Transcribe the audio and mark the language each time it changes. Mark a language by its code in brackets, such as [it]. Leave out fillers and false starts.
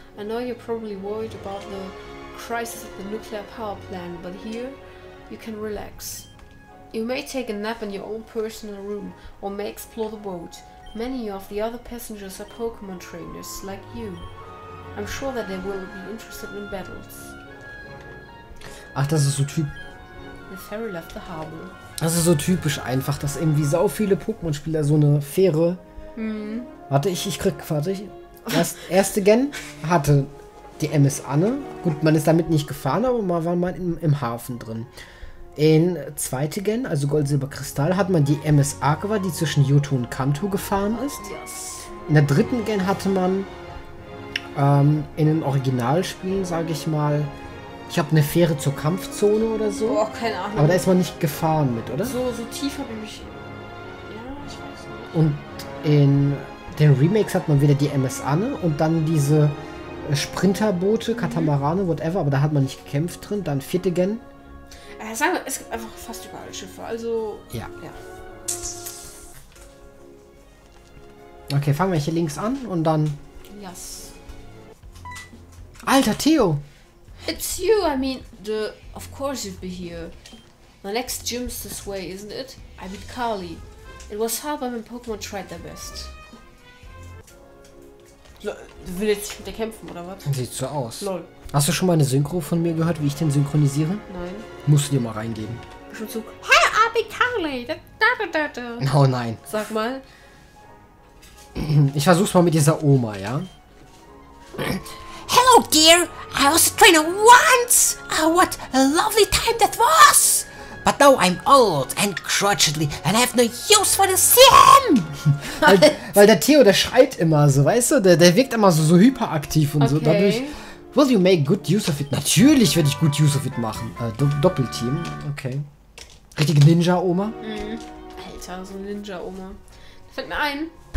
[en] I know you're probably worried about the crisis at the nuclear power plant, but here you can relax. You may take a nap in your own personal room or may explore the boat. Many of the other passengers are Pokemon trainers like you. I'm sure that they will be interested in battles. [de] Ach, das ist so typ. [en] The ferry left the harbor. [de] Das ist so typisch einfach, dass irgendwie sau viele Pokémon Spieler so eine Fähre. Warte, ich krieg quasi. Das erste Gen hatte die MS Anne. Gut, man ist damit nicht gefahren, aber man war mal im Hafen drin. In zweite Gen, also Gold, Silber, Kristall, hat man die MS Aqua, die zwischen Johto und Kanto gefahren ist. In der dritten Gen hatte man in den Originalspielen, sage ich mal, ich habe eine Fähre zur Kampfzone oder so. Boah, keine Ahnung. Aber da ist man nicht gefahren mit, oder? So tief habe ich mich. Ja, ich weiß nicht. Und in den Remakes hat man wieder die MS Anne und dann diese Sprinterboote, Katamarane, whatever, aber da hat man nicht gekämpft drin. Dann vierte Gen. Sagen wir, es gibt einfach fast überall Schiffe, also. Ja. Okay, fangen wir hier links an und dann. [en] Yes. [de] Alter, Theo! [en] It's you, I mean, of course you'd be here. The next gym's this way, isn't it? I mean, Carly. It was hard, but my Pokémon tried their best. [de] Will jetzt mit dir kämpfen, oder was? Sieht so aus. Lol. Hast du schon mal eine Synchro von mir gehört, wie ich den synchronisiere? Nein. Musst du dir mal reingeben. Schon zu. Hey, Abi Carly! Oh nein. Sag mal. Ich versuch's mal mit dieser Oma, ja? [en] Hello, dear! I was a trainer once! Oh, what a lovely time that was! But now I'm old and crotchety and I have no use for the sim! [de] weil der Theo, der schreit immer so, weißt du? Der wirkt immer so hyperaktiv und okay. So. Dadurch. [en] Will you make good use of it? [de] Natürlich werde ich [en] good use of it [de] machen. Doppelteam. Okay. Richtige Ninja-Oma. Mhm. Alter, so Ninja-Oma. Fällt mir ein.